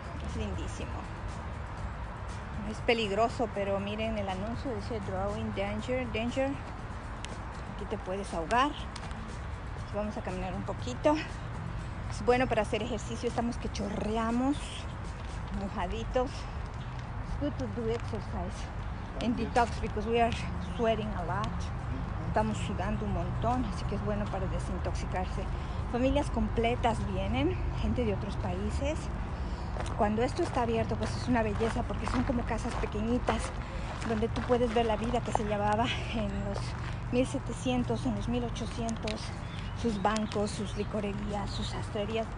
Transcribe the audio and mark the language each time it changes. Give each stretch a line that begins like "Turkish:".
Spanish: Es lindísimo. Es peligroso, pero miren el anuncio, dice
English: drawing danger, danger.
Spanish: Aquí te puedes ahogar. Vamos a caminar un poquito. Es bueno para hacer ejercicio, estamos que chorreamos. Mojaditos.
English: It's good to do exercise and detox because we are sweating a lot.
Spanish: Estamos sudando un montón, así que es bueno para desintoxicarse. Familias completas vienen, gente de otros países. Cuando esto está abierto, pues es una belleza porque son como casas pequeñitas donde tú puedes ver la vida que se llevaba en los 1700, en los 1800, sus bancos, sus licorerías, sus sastrerías.